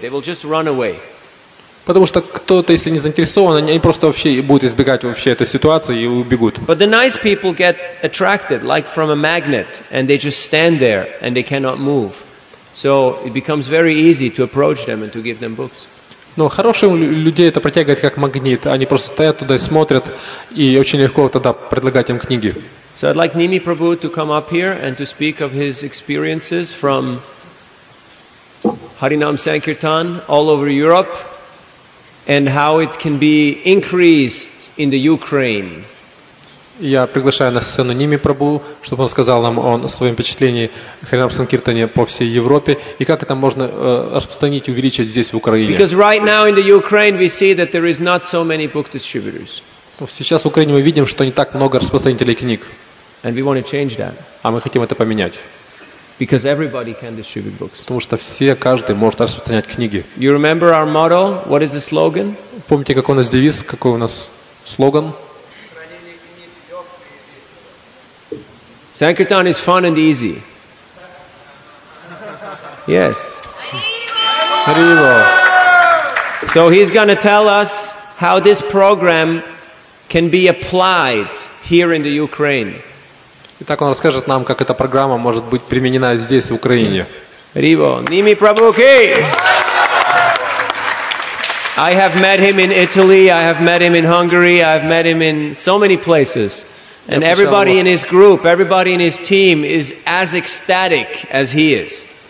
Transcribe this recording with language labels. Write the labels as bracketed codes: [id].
[en] They will just run away. [ru] Потому что кто-то, если не заинтересован, они просто вообще будут избегать вообще этой ситуации и убегут. [en] But the nice people get attracted like from a magnet, and they just stand there and they cannot move. So it becomes very easy to approach them and to give them books. [ru] Но хорошим людей это притягивает как магнит. Они просто стоят туда и смотрят, и очень легко тогда предлагать им книги. [en] So I'd like Nimi Prabhu to come up here and to speak of his experiences from Harinam Sankirtan all over Europe and how it can be increased in the Ukraine. [ru] Я приглашаю на сцену Ними Прабу, чтобы он сказал нам о своем впечатлении Харинам Санкиртане по всей Европе и как это можно распространить, увеличить здесь, в Украине. [en] Because right now in the Ukraine we see that there is not so many book distributors. [ru] Сейчас в Украине мы видим, что не так много распространителей книг. [en] And we want to change that. [ru] А мы хотим это поменять. [en] Because everybody can distribute books. [ru] Потому что все, каждый может распространять книги. [en] You remember our motto? What is the slogan? [ru] Помните, какой у нас девиз, какой у нас слоган? [en] Sankirtan is fun and easy. Yes. Haribo! So he's going to tell us how this program can be applied here in the Ukraine. [ru] Итак, он расскажет нам, как эта программа может быть применена здесь, в Украине. [en] Haribo! Nimi Prabhu ki! I have met him in Italy, I have met him in Hungary, I have met him in so many places. And everybody in his group, everybody in his team is as ecstatic as he is.